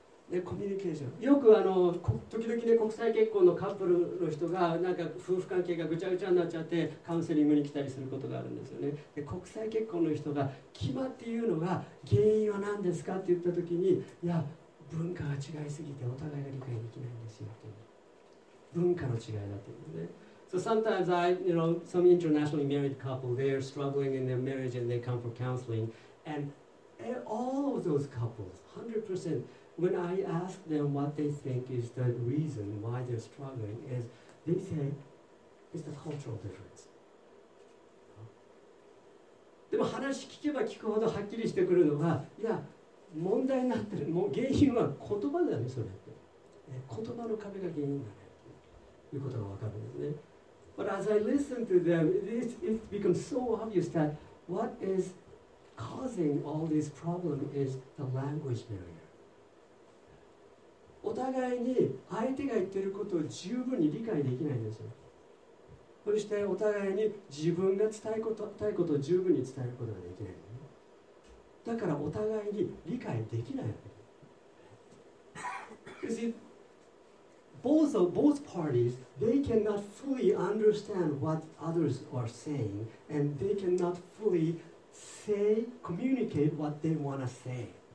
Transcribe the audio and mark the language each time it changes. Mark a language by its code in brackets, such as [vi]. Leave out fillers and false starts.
[ja] でコミュニケーションよくあの時々ね、国際結婚のカップルの人がなんか夫婦関係がぐちゃぐちゃになっちゃってカウンセリングに来たりすることがあるんですよね。で国際結婚の人が決まって言うのが原因は何ですかって言った時に、いや文化が違いすぎてお互いが理解できないんですよという文化の違いだというので、 [en] So sometimes I, you know, some internationally married couple, they are struggling in their marriage and they come for counseling. And all of those couples, 100%, when I ask them what they think is the reason why they're struggling, is they say, it's the cultural difference. [ja] でも話聞けば聞くほどはっきりしてくるのが、いや、問題になってる、もう原因は言葉だね、それって。言葉の壁が原因だね、ということが分かるんですね。 [en] But as I listen to them, it becomes so obvious that what is causing all this problem is the language barrier. [ja] お互いに相手が言ってることを十分に理解できないんですよ。そしてお互いに自分が伝えたいことを十分に伝えることができない。だからお互いに理解できない。 [en] Both parties, they cannot fully understand what others are saying, and they cannot fully communicate what they want to say.